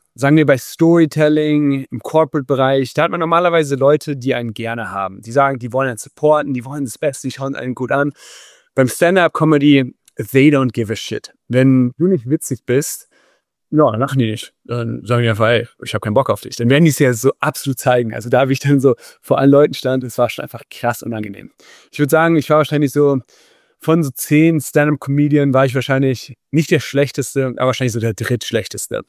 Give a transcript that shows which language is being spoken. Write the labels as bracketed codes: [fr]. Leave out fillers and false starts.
[de] Sagen wir bei Storytelling, im Corporate-Bereich, da hat man normalerweise Leute, die einen gerne haben. Die sagen, die wollen einen supporten, die wollen das Beste, die schauen einen gut an. Beim Stand-Up-Comedy, [en] they don't give a shit. [de] Wenn du nicht witzig bist, ja, dann lachen die nicht. Dann sagen die einfach, ey, ich habe keinen Bock auf dich. Dann werden die es ja so absolut zeigen. Also da, wie ich dann so vor allen Leuten stand, es war schon einfach krass unangenehm. Ich würde sagen, ich war wahrscheinlich so, von so 10 Stand-Up-Comedian war ich wahrscheinlich nicht der Schlechteste, aber wahrscheinlich so der Drittschlechteste.